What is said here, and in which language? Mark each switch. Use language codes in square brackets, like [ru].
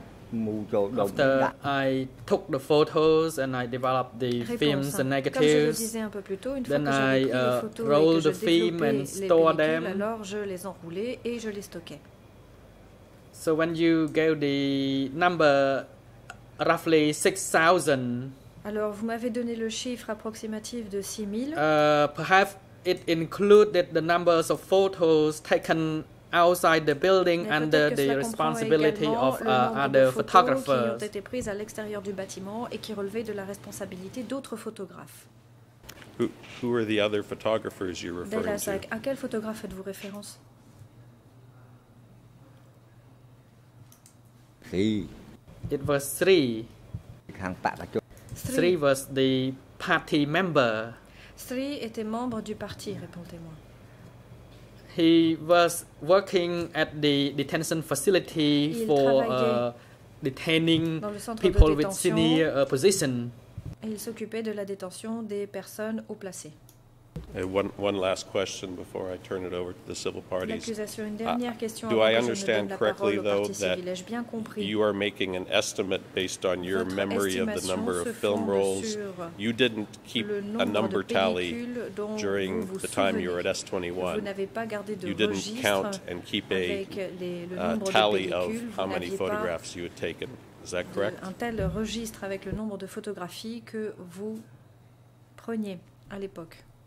[en] After I took the photos and I developed the films and negatives, then I rolled the film and stored them. [fr] Alors je les enroulais et je les stockais. [en] So when you gave the number, roughly 6,000. [fr] Alors vous m'avez donné le chiffre approximatif de 6,000. [en] Perhaps it included the numbers of photos taken outside the building under the responsibility of other photographers. [fr] Qui ont été prises à l'extérieur du bâtiment et qui relevaient de la responsabilité d'autres photographes. [en] Who are the other photographers you're referring to? [fr] Delazac, à quel photographe êtes-vous référence? [en] Three. It was three. Three was the party member. [fr] Three était membre du parti, répondez-moi. [en] He was working at the detention facility for detaining people with senior position. [fr] Et il s'occupait de la détention des personnes haut placées. [en] One last question before I turn it over to the civil parties. [fr] Une dernière question [en] do I understand correctly, though, that you are making an estimate based on your [fr] votre [en] memory of the number of film roles? You didn't keep a number tally during the time you were at S21. [fr] Vous n'avez pas gardé de [en] you didn't count and keep a tally of how many photographs you had taken. Is that correct? [fr] Un tel registre avec le nombre de photographies que vous preniez à l'époque.